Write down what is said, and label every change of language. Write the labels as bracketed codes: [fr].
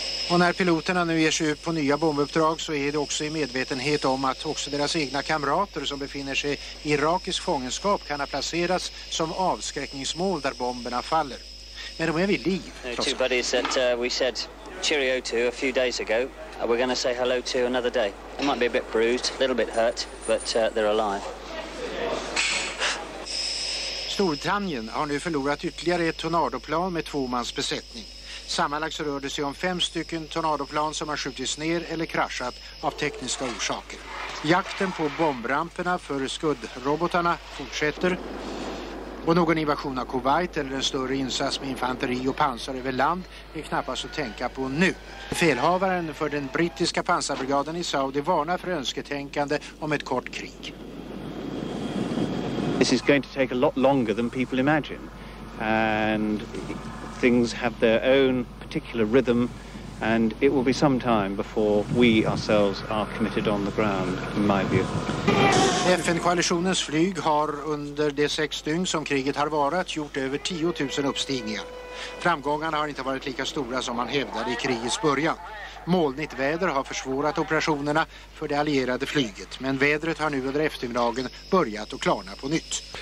[sv] Och när piloterna nu ger sig ut på nya bombuppdrag så är det också i medvetenhet om att också deras egna kamrater som befinner sig i irakisk fångenskap kan ha placerats som avskräckningsmål där bomberna faller. Men de är vid liv. [en] Two buddies that we said cheerio to a few days ago, we're going to say hello to another day. They might be a bit bruised, a little bit hurt, but they're alive. [sv] Storbritannien har nu förlorat ytterligare ett tornadoplan med 2-mans besättning. Sammanlagt så rör det sig om 5 stycken tornadoplan som har skjutits ner eller kraschat av tekniska orsaker. Jakten på bombramperna för skuddrobotarna fortsätter. Och någon invasion av Kuwait eller en större insats med infanteri och pansar över land är knappast att tänka på nu. Felhavaren för den brittiska pansarbrigaden i Saudi varnar för önsketänkande om ett kort krig. [en] This is going to take a lot longer than people imagine. And things have their own particular rhythm and it will be some time before we ourselves are committed on the ground, in my view. [sv] FN-koalitionens flyg har under de 6 dygn som kriget har varit gjort över 10 000 uppstigningar. Framgångarna har inte varit lika stora som man hävdade i krigets början. Molnigt väder har försvårat operationerna för det allierade flyget, men vädret har nu under eftermiddagen börjat att klarna på nytt.